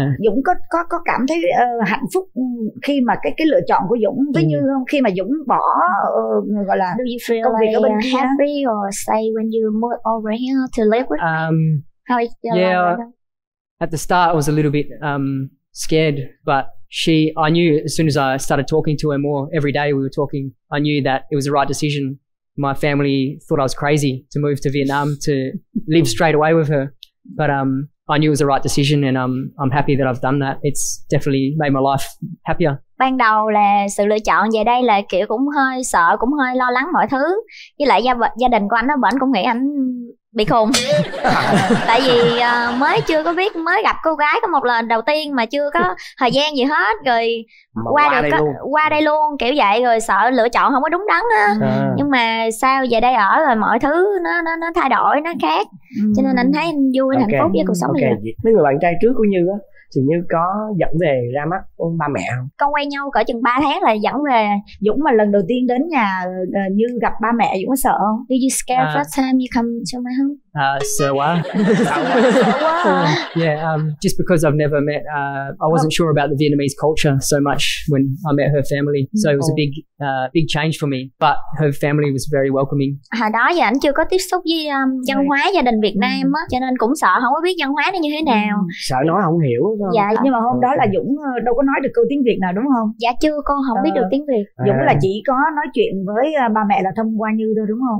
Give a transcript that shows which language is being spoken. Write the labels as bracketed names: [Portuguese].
[Vietnamese] Dũng có cảm thấy hạnh phúc khi mà cái lựa chọn của Dũng với như khi mà Dũng bỏ gọi là công việc ở bên kia. [English] Happy or say when you move over here to live with how is your life? At the start, I was a little bit scared, but I knew as soon as I started talking to her more, every day we were talking, I knew that it was the right decision. My family thought I was crazy to move to Vietnam to live straight away with her, but I knew it was the right decision, and I'm happy that I've done that. It's definitely made my life happier. [Vietnamese] Ban đầu là sự lựa chọn về đây là kiểu cũng hơi sợ, cũng hơi lo lắng mọi thứ. Với lại gia đình của anh ở bển cũng nghĩ anh bị khùng. Tại vì mới chưa có biết, mới gặp cô gái có một lần đầu tiên mà chưa có thời gian gì hết. Rồi qua đây luôn kiểu vậy, rồi sợ lựa chọn không có đúng đắn á. Nhưng mà sao về đây ở rồi mọi thứ nó thay đổi, nó khác. Cho nên anh thấy anh vui, hạnh phúc với cuộc sống này. Mấy người bạn trai trước của Như á, thì Như có dẫn về ra mắt ba mẹ không? Con quen nhau cỡ chừng 3 tháng là dẫn về. Dũng mà lần đầu tiên đến nhà Như gặp ba mẹ, Dũng có sợ không? [English] Did you scare first time you come to my home? [Vietnamese] Sợ quá. [English] Yeah, just because I've never met, I wasn't sure about the Vietnamese culture so much when I met her family. So it was a big change for me. But her family was very welcoming. [Vietnamese] Hồi đó giờ anh chưa có tiếp xúc với văn hóa gia đình Việt Nam á, cho nên cũng sợ không có biết văn hóa nó như thế nào. Sợ nói không hiểu. Dạ, nhưng mà hôm đó là Dũng đâu có nói được câu tiếng Việt nào đúng không? Dạ chưa, con không biết được tiếng Việt. Dũng là chỉ có nói chuyện với ba mẹ là thông qua Như thôi đúng không?